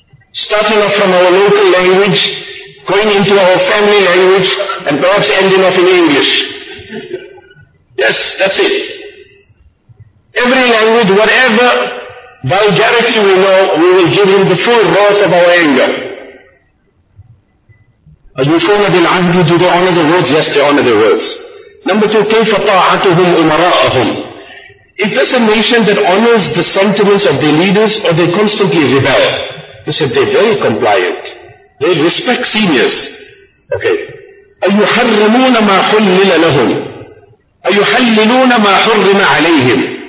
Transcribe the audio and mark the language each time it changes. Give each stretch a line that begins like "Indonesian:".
English: Starting off from our local language, going into our family language, and perhaps ending off in English. Yes, that's it. Every language, whatever vulgarity we know, we will give him the full wrath of our anger. Are you fooling the language? Do they honor the words? Yes, they honor the words. Number two,
Arabic: كيف طاعتهم أمراءهم.
English: Is this a nation that honors the sentiments of their leaders, or they constantly rebel? He said, they're very compliant. They respect seniors. Okay.
Arabic: أَيُحَرِّمُونَ مَا حُلِّلَ لَهُمْ أَيُحَلِّلُونَ مَا حُرِّمَ عَلَيْهِمْ.